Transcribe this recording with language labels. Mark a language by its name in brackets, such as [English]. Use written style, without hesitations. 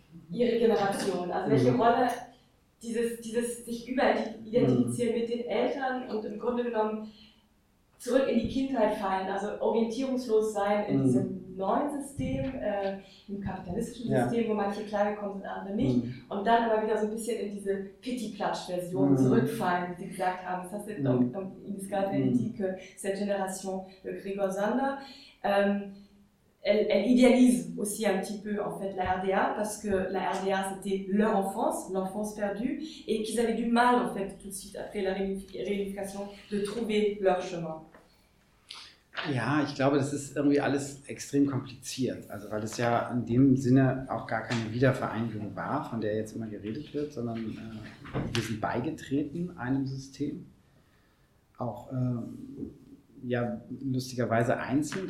[German] Ihre Generation, also welche Rolle dieses sich überidentifizieren mit den Eltern und im Grunde genommen zurück in die Kindheit fallen, also orientierungslos sein in diesem neuen System, im kapitalistischen System, wo manche klargekommen sind, andere nicht, und dann aber wieder so ein bisschen in diese Pity-Platsch-Version zurückfallen, wie Sie gesagt haben. Das heißt, [French] Ines Greipel dit que cette génération de Gregor Zander, elle idéalise aussi un petit peu en fait, la RDA, parce que la RDA c'était leur enfance, l'enfance perdue, et qu'ils avaient du mal en fait, tout de suite après la réunification de trouver leur chemin. [German] Ja, ich glaube, das ist irgendwie alles extrem kompliziert. Also weil es ja in dem Sinne auch gar keine Wiedervereinigung war, von der jetzt immer geredet wird, sondern wir sind beigetreten einem System. Auch ja lustigerweise einzeln.